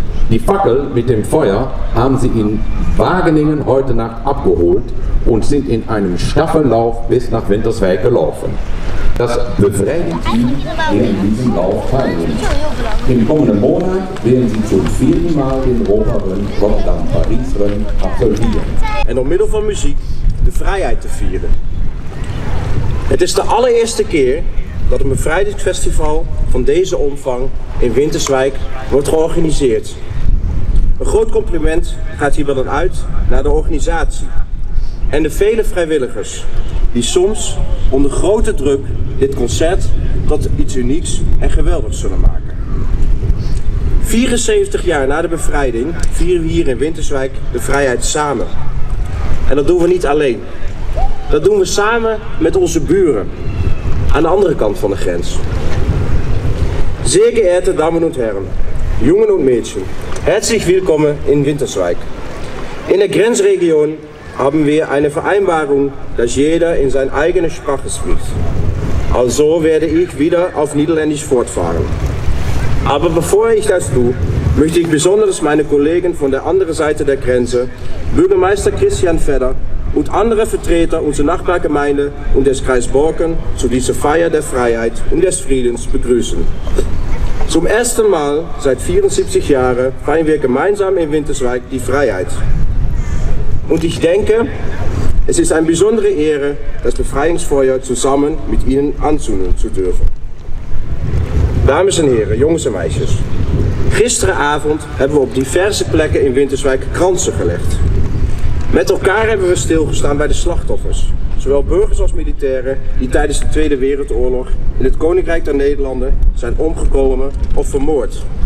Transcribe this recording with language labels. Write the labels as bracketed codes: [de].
[de] Die Fackel mit dem Feuer haben Sie in Wageningen heute Nacht abgeholt und sind in einem Staffellauf bis nach Winterswijk gelaufen. Das Befreiungsteam wird in diesem Lauf teilnehmen. Im kommenden Monat werden Sie zum vierten Mal den Europa Run Rotterdam Paris Run absolvieren. [nl] En door middel van muziek de vrijheid te vieren. Het is de allereerste keer dat een bevrijdingsfestival van deze omvang in Winterswijk wordt georganiseerd. Een groot compliment gaat hier wel uit naar de organisatie en de vele vrijwilligers die soms onder grote druk dit concert tot iets unieks en geweldigs zullen maken. 74 jaar na de bevrijding vieren we hier in Winterswijk de vrijheid samen. En dat doen we niet alleen. Dat doen we samen met onze buren aan de andere kant van de grens. [de] Sehr geehrte Damen und Herren, Jungen und Mädchen, herzlich willkommen in Winterswijk. In der Grenzregion haben wir eine Vereinbarung, dass jeder in seine eigene Sprache spricht. Also werde ich wieder auf Niederländisch fortfahren. Aber bevor ich das tue, möchte ich besonders meine Kollegen von der anderen Seite der Grenze, Bürgermeister Christian Vedder und andere Vertreter unserer Nachbargemeinde und des Kreis Borken zu dieser Feier der Freiheit und des Friedens begrüßen. Zum ersten Mal seit 74 Jahren feiern wir gemeinsam in Winterswijk die Freiheit. Und ich denke, es ist eine besondere Ehre, das Befreiungsfeuer zusammen mit Ihnen anzünden zu dürfen. [nl] Dames und Herren, Jungs und Meisjes, gisteren Abend haben wir auf diverse Plekken in Winterswijk kransen gelegd. Met elkaar hebben we stilgestaan bij de slachtoffers, zowel burgers als militairen die tijdens de Tweede Wereldoorlog in het Koninkrijk der Nederlanden zijn omgekomen of vermoord.